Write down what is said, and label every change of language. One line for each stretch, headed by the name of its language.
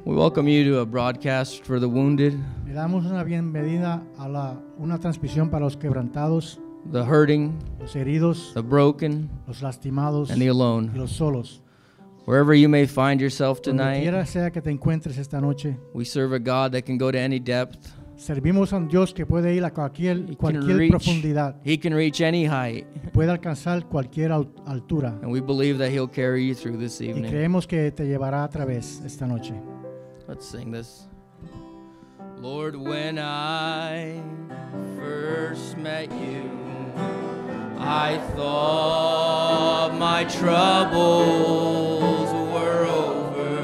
English: We welcome you to a broadcast for the wounded.
Spanish: Le damos una bienvenida a una transmisión para los quebrantados.
English: The hurting.
Spanish: Los heridos.
English: The broken.
Spanish: Los lastimados.
English: And the alone.
Spanish: Y los solos.
English: Wherever you may find yourself tonight.
Spanish: Donde quiera sea que te encuentres esta noche.
English: We serve a God that can go to any depth.
Spanish: Servimos a un Dios que puede ir a cualquier profundidad.
English: He can reach any height.
Spanish: Puede alcanzar cualquier altura.
English: And we believe that he'll carry you through this evening.
Spanish: Y creemos que te llevará a través esta noche.
English: Let's sing this. Lord, when I first met you, I thought my troubles were over,